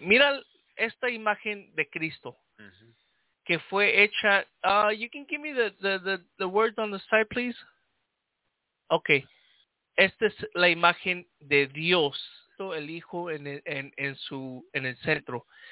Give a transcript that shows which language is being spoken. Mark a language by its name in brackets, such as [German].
[Spanish] Mira esta imagen de Cristo que fue hecha. [English] You can give me the words on the side, please. Okay. [Spanish] Esta es la imagen de Dios, el Hijo en el centro.